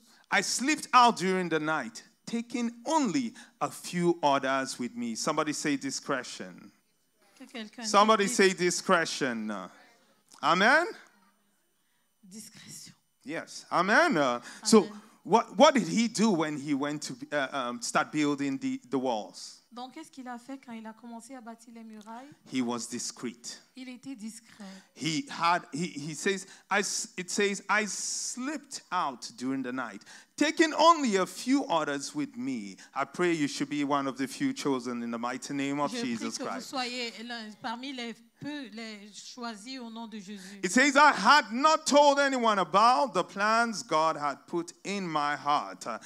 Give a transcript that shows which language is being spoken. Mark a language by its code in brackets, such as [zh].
[en] I slept out during the night, taking only a few orders with me. Somebody say discretion. Somebody say discretion. Amen. Discretion. Yes. Amen. So what did he do when he went to start building the walls? [fr] Donc qu'est-ce qu'il a fait quand il a commencé à bâtir les murailles? [en] He was discreet. [fr] Il était discret. [en] I slipped out during the night, taking only a few orders with me. I pray you should be one of the few chosen in the mighty name of Jesus Christ. [fr] Je prie que vous soyez parmi les peu les choisis au nom de Jésus. [en] It says I had not told anyone about the plans God had put in my heart.